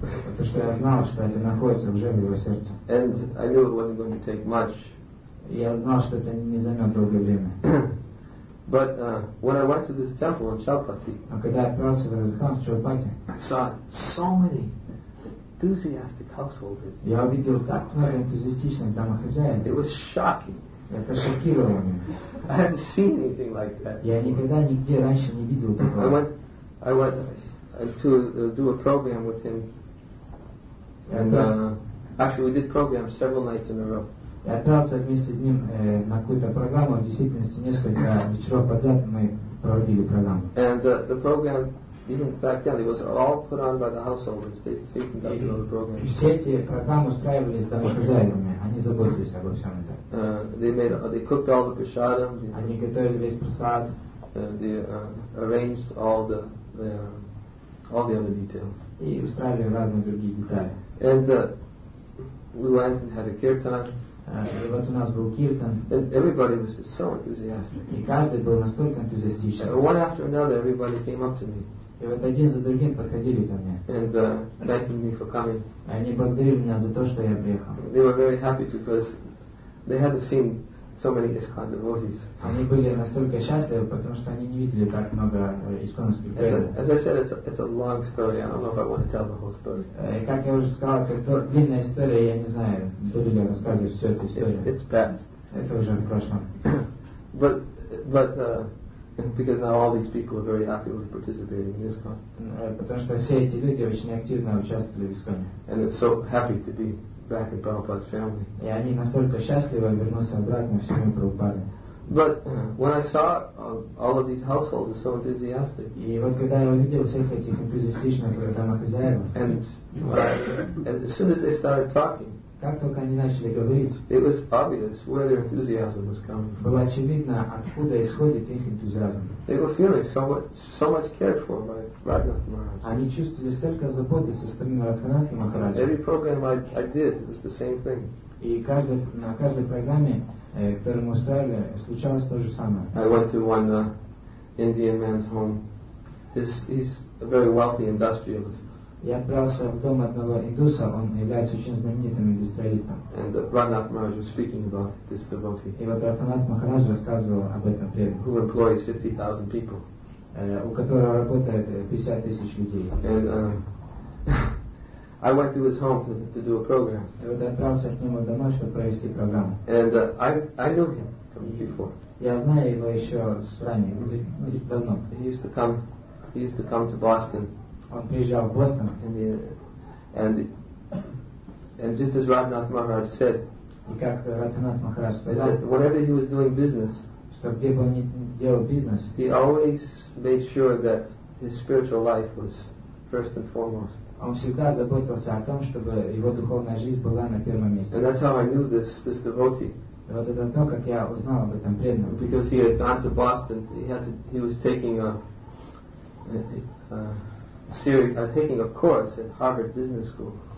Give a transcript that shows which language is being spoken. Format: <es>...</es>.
<ru>Потому что я знал, что это находится уже в его сердце.</ru> <en>And I knew it wasn't going to take much.</en> <ru>Я знал, что это не займет долгое время.</ru> <en>But when I went to this temple in Chaupati, I saw so many enthusiastic householders.</en> <ru>Я увидел так много энтузиастичных домохозяев.</ru> <en>It was shocking.</en> <ru>Это шокировало меня.</ru> <en>I hadn't seen anything like that.</en> <ru>Я никогда нигде раньше не видел такого.</ru> <en>I went to do a program with him. And actually, we did programs several nights in a row.</en> <ru>Я отправился вместе с ним на какую-то программу. В действительности несколько вечеров подряд мы проводили программу.</ru> <en>And the program. Even back then, it was all put on by the householders. They conducted all the programs.</en> <ru>Все эти программы устраивались домохозяевами. Они заботились обо всем этом.</ru> <en>They cooked all the prasadams.</en> <ru>Они готовили весь прасад.</ru> <en>They arranged all the other details.</en> <ru>И устраивали разные другие детали.</ru> <en>And we went and had a kirtan.</en> <ru>И вот у нас был киртан.</ru> <en>And everybody was just so enthusiastic.</en> <ru>И каждый был настолько энтузиастичен.</ru> <en>One after another, everybody came up to me.</en> <ru>И вот один за другим подходили ко мне.</ru> <en>And thanking me for coming.</en> <ru>Они благодарили меня за то, что я приехал.</ru> <en>They were very happy because they hadn't seen so many ISKCON devotees.</en> <ru>Они были настолько счастливы, потому что они не видели так много исконных преданных.</ru> <en>As I said, it's a long story. I don't know if I want to tell the whole story.</en> <ru>Как я уже сказал, это длинная история. Я не знаю, буду ли я рассказывать всю эту историю.</ru> <en>It's past.</en> <ru>Это уже в прошлом.</ru> <en>Because now all these people are very actively participating in ISKCON.</en> <ru>Потому что все эти люди очень активно участвовали в ИСККОНе.</ru> <en>And they're so happy to be back in Prabhupada's family.</en> <ru>И они настолько счастливы вернуться обратно в семью Прабхупады.</ru> <en>But when I saw all of these householders so enthusiastic.</en> <ru>И вот когда я увидел всех этих энтузиастичных домохозяев.</ru> <en>And as soon as they started talking.</en> <ru>Как только они начали говорить,</ru> <en>it was obvious where their enthusiasm was coming from.</en> <ru>Было очевидно, откуда исходит их энтузиазм.</ru> <en>They were feeling so much cared for by Radhanath Maharaj.</en> <ru>Они чувствовали столько заботы со стороны Радханатхи Махараджа.</ru> <en>Every program I did was the same thing.</en> <ru>И на каждой программе, которую мы устраивали, случалось то же самое.</ru> <en>I went to one Indian man's home. He's a very wealthy industrialist.</en> <ru>Я отправился в дом одного индуса, он является очень знаменитым индустриалистом.</ru> <en>And Radhanath Maharaj was speaking about this devotee.</en> <ru>И вот Радханатх Махарадж рассказывал об этом преданном.</ru> <en>Who employs 50,000 people.</en> <ru>У которого работает 50 тысяч людей.</ru> <en>And I went to his home to do a program.</en> <ru>И вот я отправился к нему домой, чтобы провести программу.</ru> <en>And I knew him from before.</en> <ru>Я знаю его еще с ранее, давно.</ru> <en>He used to come to Boston.</en> <ru>Он приезжал в Бостон.</ru> <en>And just as Radhanath Maharaj said, whatever he was doing business,</en> <ru>что где бы он ни делал бизнес,</ru> <en>he always made sure that his spiritual life was first and foremost.</en> <ru>Он всегда заботился о том, чтобы его духовная жизнь была на первом месте.</ru> <en>And that's how I knew this devotee.</en> <ru>И вот это то, как я узнал об этом преданном.</ru> <en>Because he had gone to Boston, he was taking a course at Harvard Business School.</en>